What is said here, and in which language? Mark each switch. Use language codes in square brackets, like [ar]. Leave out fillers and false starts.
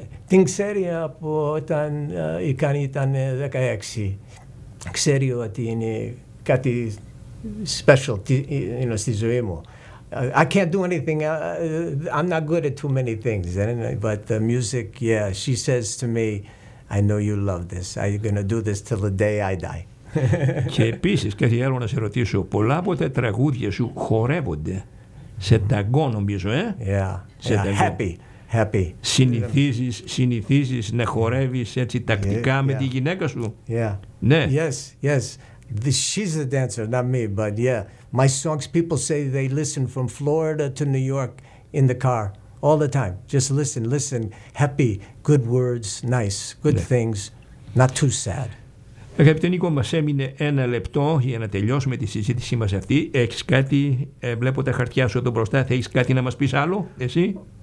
[el] Την ξέρει από όταν η Ικάνη ήταν 16. Ξέρει ότι είναι κάτι special στη ζωή μου. [en] I can't do anything. I'm not good at too many things. But the music, yeah, she says to me, I know you love this. Are you going to do this till the day I die? [el] Και επίσης, κάτι άλλο να σε ρωτήσω. Πολλά από τα τραγούδια σου χορεύονται σε ταγκό, νομίζω, ε? [en] Yeah, [el] σε ταγκό. [en] Happy, happy. [el] Συνηθίζεις να χορεύεις έτσι τακτικά με τη γυναίκα σου? [en] Yeah. [el] Ναι. [en] Yes, yes. She's the dancer, not me, but yeah. My songs, people say they listen from Florida to New York in the car, all the time. Just listen, listen. Happy, good words, nice, good things, not too sad. [el] Αγαπητέ Νίκο, μας έμεινε ένα λεπτό για να τελειώσουμε τη συζήτησή μας αυτή. Έχεις κάτι, βλέπω τα χαρτιά σου εδώ μπροστά, θα έχεις κάτι να μας πεις άλλο, εσύ?